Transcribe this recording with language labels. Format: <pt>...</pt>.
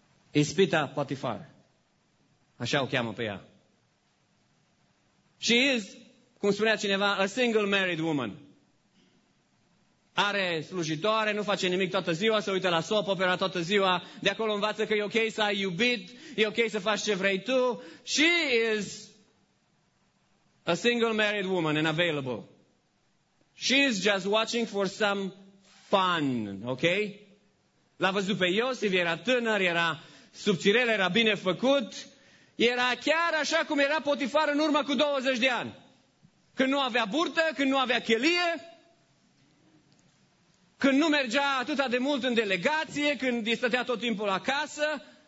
<ro>Ispita Potiphar. Așa o cheamă pe ea.</ro> <en>She is,</en> <ro>cum spunea cineva,</ro> <en>a single married woman.</en> <ro>Are slujitoare, nu face nimic toată ziua, se uită la soap opera toată ziua, de acolo învață că e ok să ai iubit, e ok să faci ce vrei tu.</ro> <en>She is a single married woman and available. She is just watching for some fun, ok?</en> <ro>L-a văzut pe Iosif, era tânăr, era subțirel, era bine făcut, era chiar așa cum era Potifar în urmă cu 20 de ani. Când nu avea burtă, când nu avea chelie, când nu mergea atât de mult în delegație, când îi stătea tot timpul acasă.</ro>